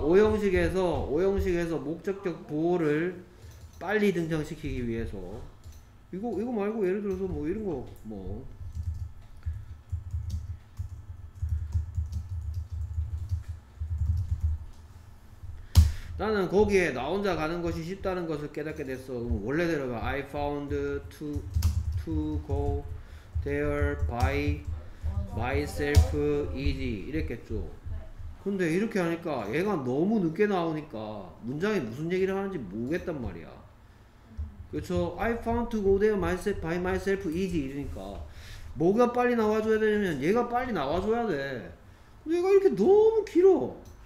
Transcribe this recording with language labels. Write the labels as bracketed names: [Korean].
[Korean] 오형식에서 목적격 보호를 빨리 등장시키기 위해서 이거 말고 예를 들어서 뭐 이런 거 뭐 나는 거기에 나 혼자 가는 것이 쉽다는 것을 깨닫게 됐어. 원래대로 가. [English] I found to go there by myself easy [Korean] 이랬겠죠. 근데 이렇게 하니까 얘가 너무 늦게 나오니까 문장이 무슨 얘기를 하는지 모르겠단 말이야. 그렇죠? [English] I found to go there myself by myself easy [Korean] 이러니까 뭐가 빨리 나와줘야 되냐면 얘가 빨리 나와줘야 돼. 근데 얘가 이렇게 너무 길어.